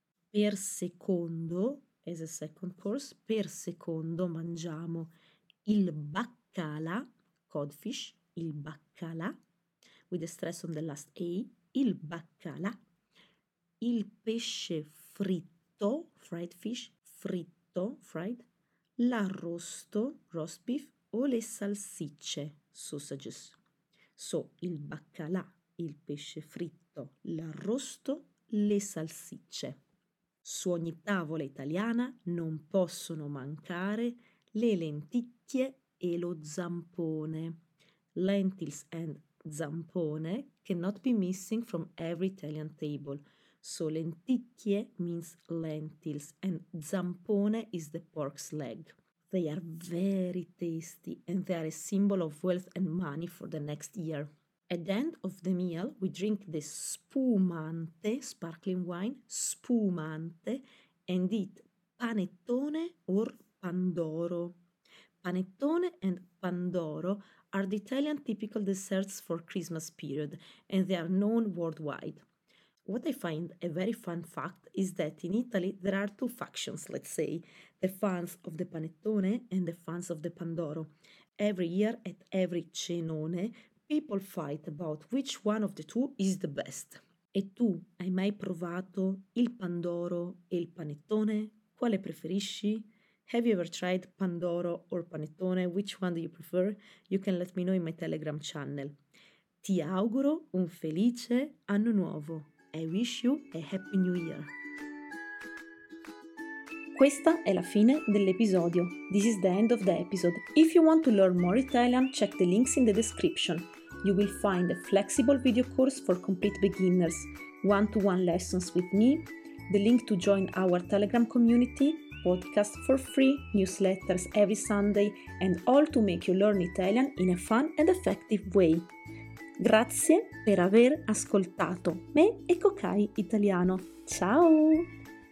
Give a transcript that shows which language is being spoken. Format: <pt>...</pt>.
<it>Per secondo,</it> <en>as a second course,</en> <it>per secondo mangiamo il baccalà, codfish, il baccalà,</it> <en>with the stress on the last A,</en> <it>il baccalà, il pesce fritto,</it> <en>fried fish,</en> <it>fritto, fried, l'arrosto,</it> <en>roast beef,</en> <it>o le salsicce, sausages. So, il baccalà, il pesce fritto, l'arrosto, le salsicce. Su ogni tavola italiana non possono mancare le lenticchie e lo zampone.</it> <en>Lentils and zampone cannot be missing from every Italian table. So, lenticchie means lentils and zampone is the pork's leg. They are very tasty and they are a symbol of wealth and money for the next year. At the end of the meal, we drink the spumante, sparkling wine, spumante, and eat panettone or pandoro. Panettone and pandoro are the Italian typical desserts for Christmas period and they are known worldwide. What I find a very fun fact is that in Italy there are two factions, let's say, the fans of the panettone and the fans of the pandoro. Every year at every cenone, people fight about which one of the two is the best.</en> <it>E tu, hai mai provato il pandoro e il panettone? Quale preferisci?</it> <en>Have you ever tried pandoro or panettone? Which one do you prefer? You can let me know in my Telegram channel.</en> <it>Ti auguro un felice anno nuovo.</it> <en>I wish you a happy new year.</en> <it>Questa è la fine dell'episodio.</it> <en>This is the end of the episode. If you want to learn more Italian, check the links in the description. You will find a flexible video course for complete beginners, one-to-one lessons with me, the link to join our Telegram community, podcasts for free, newsletters every Sunday, and all to make you learn Italian in a fun and effective way.</en> <it>Grazie per aver ascoltato me e Cocai Italiano. Ciao!</it>